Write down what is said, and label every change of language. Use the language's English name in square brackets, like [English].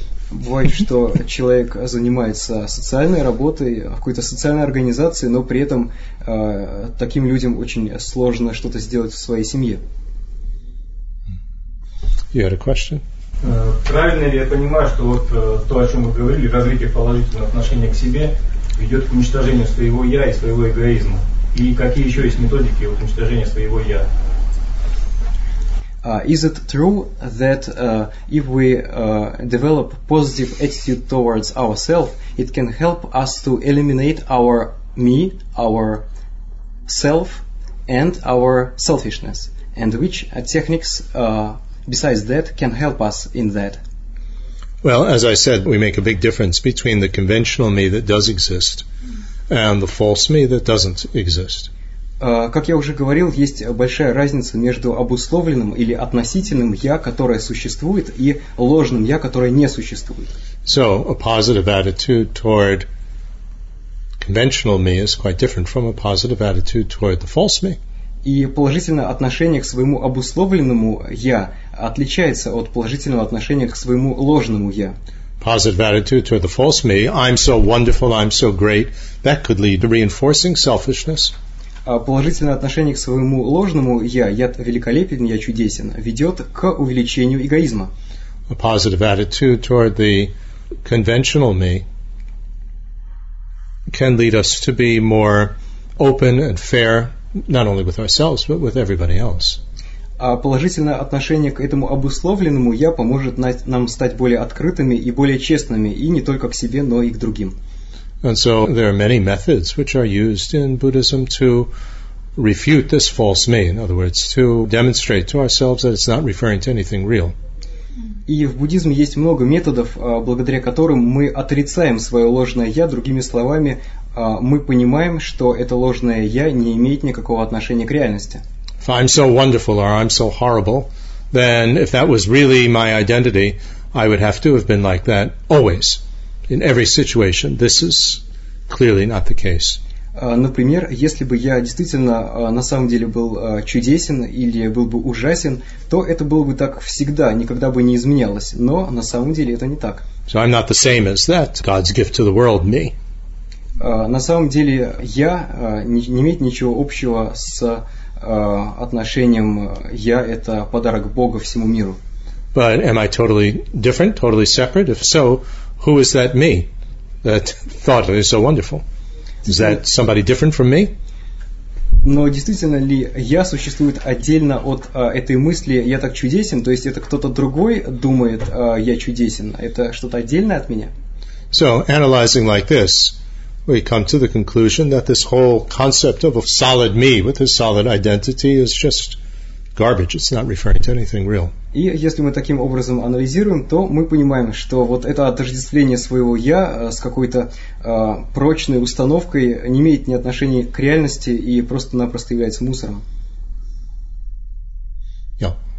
[Russian] Бывает, что человек занимается социальной работой в какой-то социальной организации, но при этом таким людям очень сложно что-то сделать в своей семье. [English] You had a question? [Russian] Правильно ли я понимаю, что вот то, о чем вы говорили, развитие положительного отношения к себе ведет к уничтожению своего «я» и своего эгоизма? И какие еще есть методики вот, уничтожения своего «я»? [English] Is it true that if we develop positive attitude towards ourselves, it can help us to eliminate our me, our self, and our selfishness? And which techniques besides that can help us in that? Well, as I said, we make a big difference between the conventional me that does exist and the false me that doesn't exist. [Russian] Как я уже говорил, есть большая разница между обусловленным или относительным «я», которое существует, и ложным «я», которое не существует. [English] So, a positive attitude toward conventional me is quite different from a positive attitude toward the false me. [Russian] И положительное отношение к своему обусловленному «я» отличается от положительного отношения к своему ложному «я». [English] Positive attitude toward the false me, I'm so wonderful, I'm so great, that could lead to reinforcing selfishness. [Russian] Положительное отношение к своему ложному «я», «я великолепен», «я чудесен», ведет к увеличению эгоизма. [English] A positive attitude toward the conventional me can lead us to be more open and fair, not only with ourselves, but with everybody else. [Russian] А положительное отношение к этому обусловленному «я» поможет нам стать более открытыми и более честными, и не только к себе, но и к другим. [English] And so there are many methods which are used in Buddhism to refute this false me, in other words, to demonstrate to ourselves that it's not referring to anything real. [Russian] И в буддизме есть много методов, благодаря которым мы отрицаем свое ложное «я». Другими словами, мы понимаем, что это ложное «я» не имеет никакого отношения к реальности. [English] If I'm so wonderful or I'm so horrible, then if that was really my identity, I would have to have been like that always, in every situation. This is clearly not the case. [Russian] Например, если бы я действительно на самом деле был чудесен или был бы ужасен, то это было бы так всегда, никогда бы не изменялось. Но на самом деле это не так. [English] So I'm not the same as that. God's gift to the world, me. [Russian] На самом деле я не имеет ничего общего с отношением «я» — это подарок Бога всему миру. [English] But am I totally different, totally separate? If so, who is that me that thought it is so wonderful? Is that somebody different from me? [Russian] Но действительно ли я существует отдельно от этой мысли «я так чудесен», то есть это кто-то другой думает «я чудесен», это что-то отдельное от меня? [English] So, analyzing like this, we come to the conclusion that this whole concept of a solid me with a solid identity is just garbage. It's not referring to anything real. [Russian] И если мы таким образом анализируем, то мы понимаем, что вот это отождествление своего «я» с какой-то прочной установкой не имеет ни отношения к реальности и просто-напросто является мусором. [English] Yeah.